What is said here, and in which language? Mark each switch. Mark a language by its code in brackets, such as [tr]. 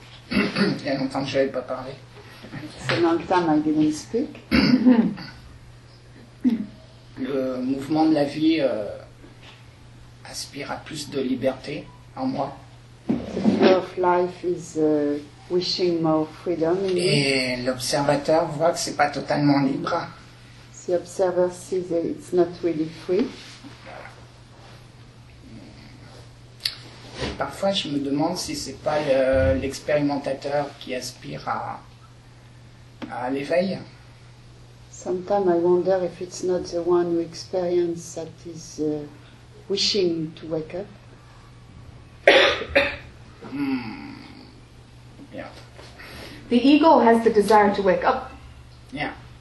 [fr] Il y a longtemps que je n'avais pas parlé. C'est longtemps que je n'ai pas parlé. Le mouvement de la vie aspire à plus de liberté en moi. [en] The flow of life is wishing more freedom in me. [fr] Et l'observateur voit que ce n'est pas totalement libre. [en] The observer sees that it's not really free. [fr] Parfois, je me demande si c'est pas l'expérimentateur qui aspire à l'éveil. [en] Sometimes I wonder if it's not the one who experiences that is wishing to wake up. The ego has the desire to wake up. Yeah.